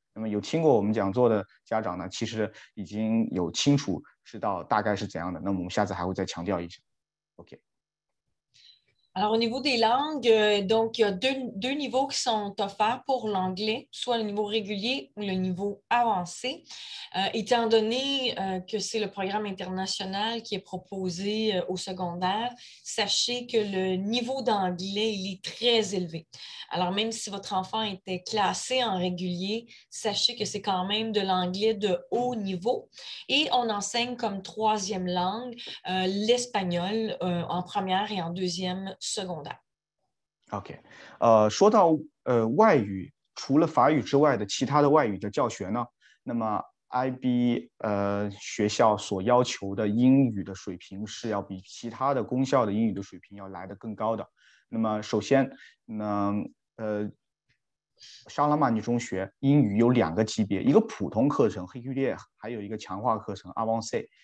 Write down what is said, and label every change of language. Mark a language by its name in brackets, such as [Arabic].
[Chinese] 那么有听过我们讲座的家长呢，其实已经有清楚知道大概是怎样的，那么我们下次还会再强调一下。 OK。 [French] Alors, au niveau des langues, donc, il y a deux niveaux qui sont offerts pour l'anglais, soit le niveau régulier ou le niveau avancé. Étant donné que c'est le programme international qui est proposé au secondaire, sachez que le niveau d'anglais, il est très élevé. Alors, même si votre enfant était classé en régulier, sachez que c'est quand même de l'anglais de haut niveau. Et on enseigne comme troisième langue l'espagnol en première et en deuxième secondaire. [Chinese] OK，说到外语，除了法语之外的其他的外语的教学呢？那么 IB 学校所要求的英语的水平是要比其他的公校的英语的水平要来得更高的。那么首先，沙拉曼尼中学英语有两个级别，一个普通课程黑皮列，还有一个强化课程 Avancé。